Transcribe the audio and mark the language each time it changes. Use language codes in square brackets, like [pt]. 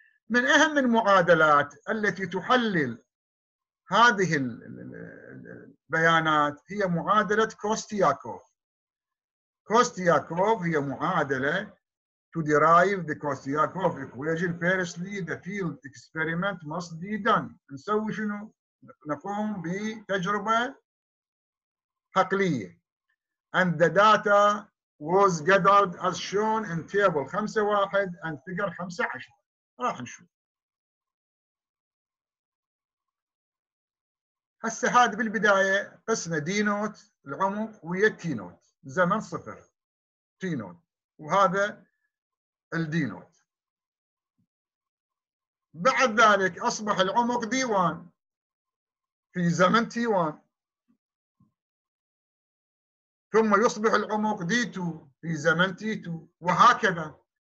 [ar] من أهم المعادلات التي تحلل هذه البيانات هي معادلة كوستياكوف. كوستياكوف هي معادلة [en] to derive the Kostyakov equation. Firstly, the field experiment must be done. [ar] نسوي شنو؟ نقوم بتجربة حقلية. [en] And the data was gathered as shown in table 5.1 and figure 5.10. [ar] راح نشوف. هسه هاد بالبداية قسنا دي نوت العمق ويا تي نوت، زمن صفر تي نوت، وهذا الدي نوت. بعد ذلك أصبح العمق دي وان في زمن تي وان، ثم يصبح العمق دي تو في زمن تي تو، وهكذا.